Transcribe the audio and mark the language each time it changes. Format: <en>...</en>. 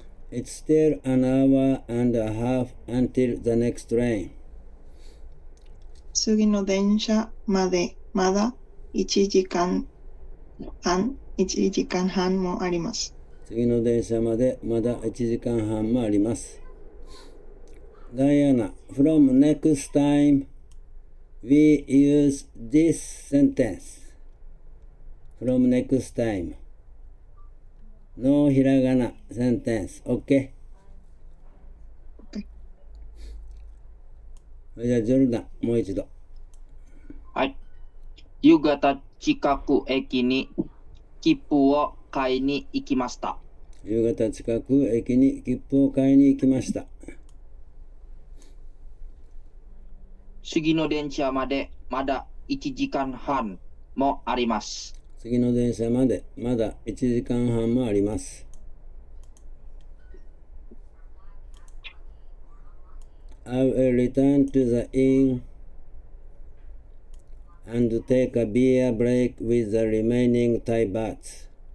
<en>It's still an hour and a half until the next train.</en> <ja>次の電車までまだ1時間半もあります。次の電車までまだ1時間半もあります。</ja> <en>Diana, from next time, we use this sentence. From next time.</en> <ja>のひらがな、センテンス、OK? OK。じゃあ、ジョルダン、もう一度。はい。夕方近く駅に切符を買いに行きました。夕方近く駅に切符を買いに行きました。次の電車までまだ1時間半もあります。次の電車までまだ1時間半もあります。</ja> <en>I will return to the inn and take a beer break with the remaining Thai bats.</en>